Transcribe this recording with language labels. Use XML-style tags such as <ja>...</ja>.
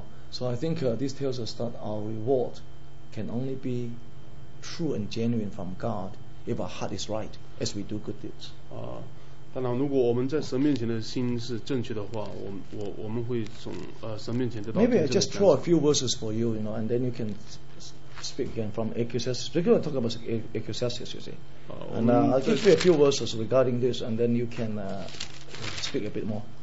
<en>So I think this tells us that our reward can only be true and genuine from God if our heart is right as we do good deeds。</en> <zh>当然，如果我们在神面前的心是正确的话，我们会从神面前得到。</zh> <en>Maybe I just throw a few verses for you, you know, and then you can。 Speak again from Ecclesiastes. We're going to talk about Ecclesiastes, you see. And I'll give you a few verses regarding this, and then you can speak a bit more.</en>